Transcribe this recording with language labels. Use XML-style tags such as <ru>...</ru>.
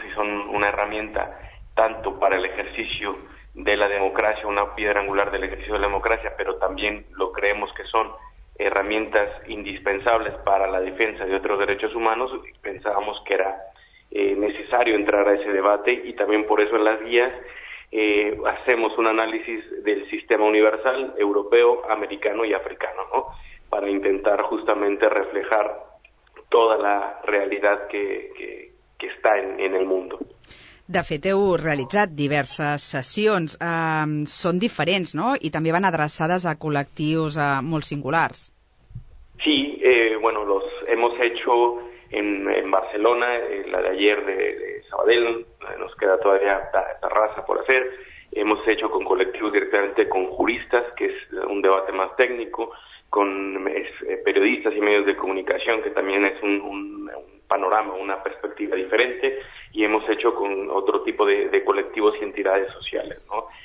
<es>Si son una herramienta tanto para el ejercicio de la democracia, una piedra angular del ejercicio de la democracia, pero también lo creemos que son herramientas indispensables para la defensa de otros derechos humanos, pensábamos que era necesario entrar a ese debate, y también por eso en las guías hacemos un análisis del sistema universal europeo, americano y africano, ¿no?, para intentar justamente reflejar toda la realidad que está en el mundo.</es> <ca>De fet, heu realitzat diverses sessions. Són diferents, no?, i també van adreçades a col·lectius molt singulars.</ca> <es>Sí, bueno, los hemos hecho en Barcelona, la de ayer de Sabadell, nos queda todavía Terrassa por hacer. Hemos hecho con colectivos directamente, con juristas, que es un debate más técnico, con periodistas y medios de comunicación, que también es un panorama, una perspectiva diferente, y hemos hecho con otro tipo de colectivos y entidades sociales, ¿no?</es>